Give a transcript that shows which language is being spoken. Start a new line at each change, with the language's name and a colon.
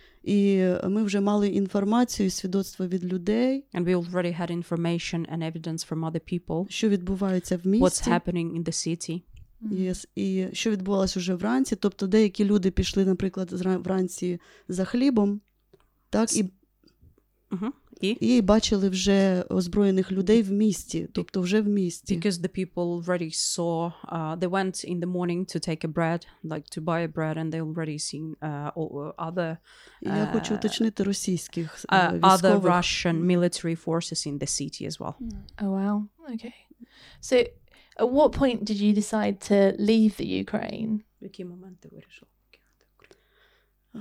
Ukrainian: І ми вже мали інформацію і свідоцтво від людей.
English: And we already had information and evidence from other people.
Ukrainian: Що відбувається в місті.
English: What's happening in the city. Mm-hmm.
Ukrainian: Yes, і що відбувалося вже вранці, тобто деякі люди пішли, наприклад, вранці за хлібом, так, і бачили вже озброєних людей в місті, тобто вже в місті.
English: Because the people already saw, they went in the morning to take a bread, like to buy a bread, and they already seen other...
Ukrainian: Я хочу уточнити російських військових.
English: Other Russian military forces in the city as well. Oh, wow. Okay. So... At what point did you decide to leave the Ukraine?
Ukrainian: В який момент ти вирішила покинути